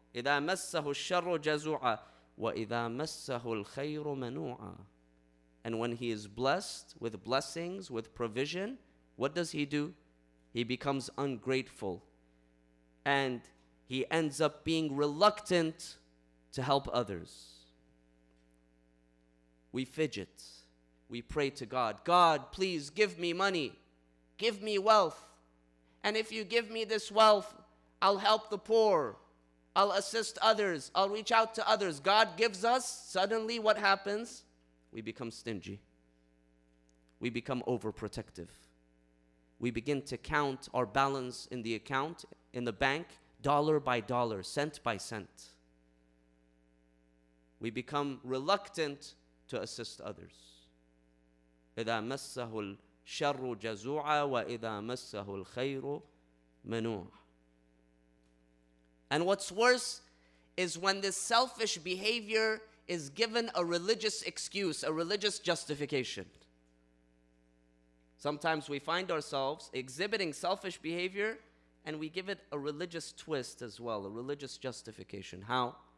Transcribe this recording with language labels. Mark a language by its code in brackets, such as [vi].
[ar] إِذَا مَسَّهُ الشَّرُّ جَزُوعًا وَإِذَا مَسَّهُ الْخَيْرُ مَنُوعًا. [en] And when he is blessed with blessings, with provision, what does he do? He becomes ungrateful. And he ends up being reluctant to help others. We fidget. We pray to God, God, please give me money. Give me wealth. And if you give me this wealth, I'll help the poor. I'll assist others. I'll reach out to others. God gives us. Suddenly what happens? We become stingy. We become overprotective. We begin to count our balance in the account, in the bank, dollar by dollar, cent by cent. We become reluctant to assist others. [ar] إِذَا مَسَّهُ الشَّرُّ جَزُوعًا وَإِذَا مَسَّهُ الْخَيْرُ مَنُوعًا. [en] And what's worse is when this selfish behavior is given a religious excuse, a religious justification. Sometimes we find ourselves exhibiting selfish behavior and we give it a religious twist as well, a religious justification. How?